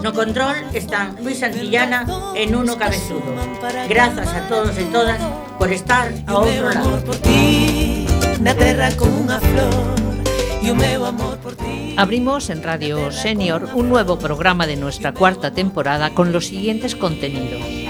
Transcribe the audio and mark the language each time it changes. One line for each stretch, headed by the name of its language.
Galician: No control están Luis Santillana e Nuno Cabezudo. Grazas a todos e todas por estar a outro lado. Por ti, na terra como unha flor. Y meu amor por ti.
Spanish: Abrimos en Radio Senior un nuevo programa de nuestra cuarta temporada con los siguientes contenidos.